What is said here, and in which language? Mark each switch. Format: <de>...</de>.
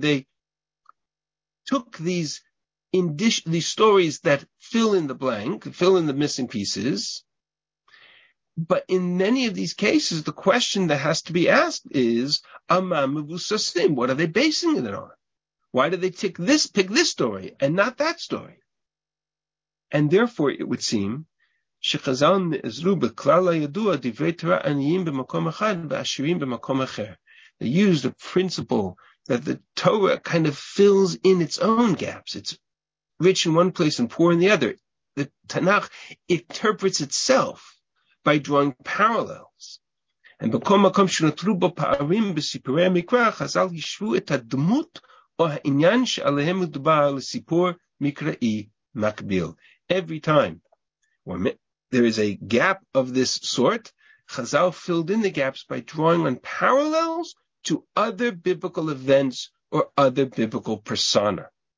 <en>They took these stories that fill in the blank, fill in the missing pieces. But in many of these cases, the question that has to be asked is,</en> <he>ama mevusasim,</he> <en>what are they basing it on? Why do they pick this story and not that story? And therefore, it would seem</en> <he>שחזל נעזרו בכלל הידוע דברי תורה עניים במקום אחד ועשירים במקום אחר.</he> <en>They use the principle that the Torah kind of fills in its own gaps. It's rich in one place and poor in the other. The Tanakh interprets itself by drawing parallels.</en> <he>And בכל מקום שנותרו בו פערים בסיפורי המקרא, חזל ישבו את הדמות או העניין שעליהם מדובר לסיפור מקראי מקביל.</he> <en>Every time there is a gap of this sort, Chazal filled in the gaps by drawing on parallels to other biblical events or other biblical persona.</en>